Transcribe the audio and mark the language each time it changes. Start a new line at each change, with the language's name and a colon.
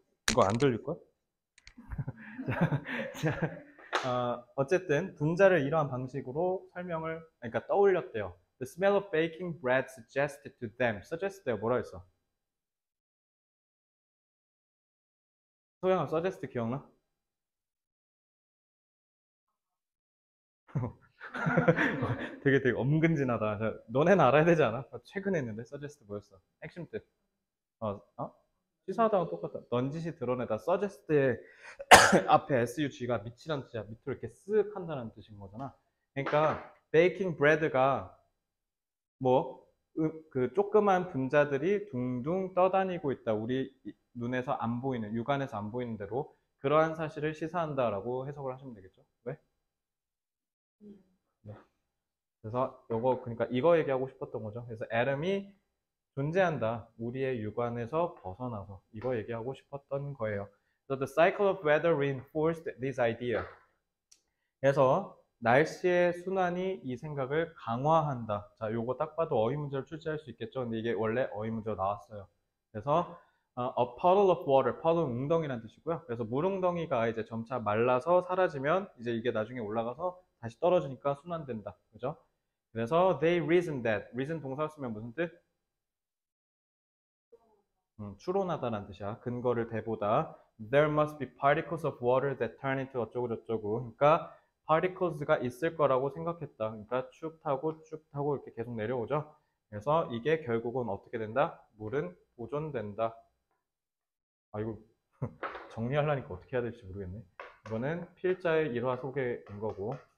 Korean: 이거 안 돌릴 거야? 자, 어쨌든 분자를 이러한 방식으로 설명을, 그러니까 떠올렸대요.
English: The smell of baking bread suggested to them. Suggested
Korean: 뭐라 했어? 소영아, suggest 기억나? 되게 엄근진하다. 너넨 알아야 되지 않아? 최근에 했는데 suggest 뭐였어? 핵심 뜻. 시사하다와 똑같다. 넌지시 드러내다. suggest의 앞에 SUG가 밑이란 뜻이야. 밑으로 이렇게 쓱 한다는 뜻인 거잖아. 그러니까 베이킹 브레드가 뭐그 조그만 분자들이 둥둥 떠다니고 있다. 우리 눈에서 안 보이는, 육안에서 안 보이는 대로 그러한 사실을 시사한다라고 해석을 하시면 되겠죠. 왜? 그래서 요거, 그러니까 이거 얘기하고 싶었던 거죠. 그래서 애름이 존재한다. 우리의 육안에서 벗어나서. 이거 얘기하고 싶었던 거예요.
English: So the cycle of weather reinforced this idea.
Korean: 그래서 날씨의 순환이 이 생각을 강화한다. 자, 요거 딱 봐도 어휘 문제를 출제할 수 있겠죠. 근데 이게 원래 어휘 문제로 나왔어요. 그래서
English: a puddle of water.
Korean: puddle 웅덩이란 뜻이고요. 그래서 물웅덩이가 이제 점차 말라서 사라지면 이제 이게 나중에 올라가서 다시 떨어지니까 순환된다. 그죠? 그래서
English: they reason that.
Korean: reason 동사 쓰면 무슨 뜻? 추론하다라는 뜻이야. 근거를 대보다.
English: There must be particles of water that turn into
Korean: 어쩌고저쩌고. 그러니까 particles가 있을 거라고 생각했다. 그러니까 쭉 타고 쭉 타고 이렇게 계속 내려오죠. 그래서 이게 결국은 어떻게 된다? 물은 보존된다. 아, 이거 정리하려니까 어떻게 해야 될지 모르겠네. 이거는 필자의 일화 소개인 거고.